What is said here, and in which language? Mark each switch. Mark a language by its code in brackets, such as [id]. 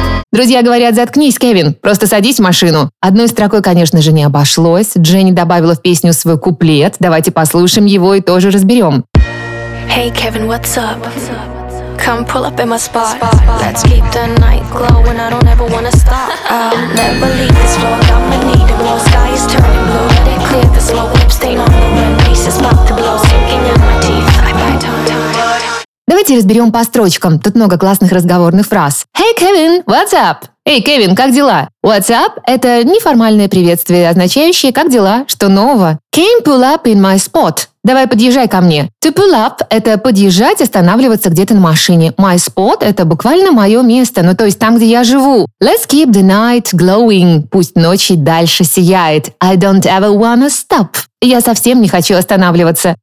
[ru] Друзья говорят, заткнись, Кевин, просто садись в машину. Одной строкой, конечно же, не обошлось. Дженни добавила в песню свой куплет. Давайте послушаем его и тоже разберем. [en] Hey, Kevin, what's up? Come pull up in my spot. Let's keep the night glowing. I don't ever wanna stop. I'll never leave this floor. I'ma need it more. Sky is turning blue. Let it clear the smoke. Lip stain on the wind. Bass is about to blow. Sinking in my teeth. I bite tongue. [ru] Давайте разберем по строчкам. Тут много классных разговорных фраз. [en] Hey, Kevin, what's up? [ru] Эй, Кевин, как дела? What's up – это неформальное приветствие, означающее «как дела?», «что нового?». [en] Came pull up in my spot – [ru] давай подъезжай ко мне. To pull up – это подъезжать, останавливаться где-то на машине. My spot – это буквально мое место, ну то есть там, где я живу. [en] Let's keep the night glowing [ru] – пусть ночь и дальше сияет. [en] I don't ever wanna stop – [ru] я совсем не хочу останавливаться.